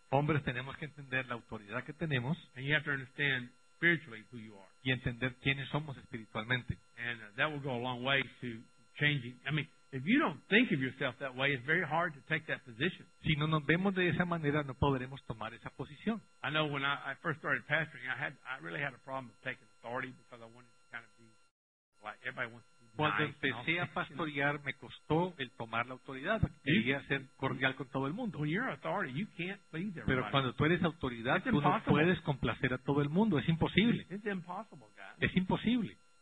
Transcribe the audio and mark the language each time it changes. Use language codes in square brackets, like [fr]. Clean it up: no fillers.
[es] Hombres, tenemos que entender la autoridad que tenemos. [en] And you have to understand spiritually who you are. [es] Y entender quiénes somos espiritualmente. [en] And that will go a long way to changing. I mean, if you don't think of yourself that way, it's very hard to take that position. [es] Si no nos vemos de esa manera, no podremos tomar esa posición. [en] I know when I first started pastoring, I really had a problem with taking authority because I wanted to kind of be like everybody wants. [es] Cuando empecé a pastorear, me costó el tomar la autoridad. Quería ser cordial con todo el mundo. Pero cuando tú eres autoridad, tú no puedes complacer a todo el mundo. Es imposible. Es imposible.